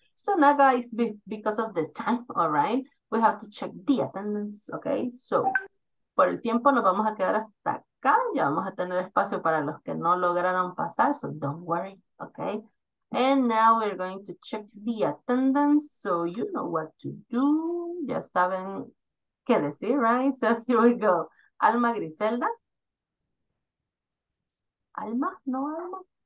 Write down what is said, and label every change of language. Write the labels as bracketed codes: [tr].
[en] So now, guys, because of the time, all right, we have to check the attendance, okay? [es] So, por el tiempo nos vamos a quedar hasta acá. Ya vamos a tener espacio para los que no lograron pasar, so don't worry, okay? [en] And now we're going to check the attendance, so you know what to do. [es] Ya saben qué decir, right? So here we go. Alma Griselda. Alma, no Alma.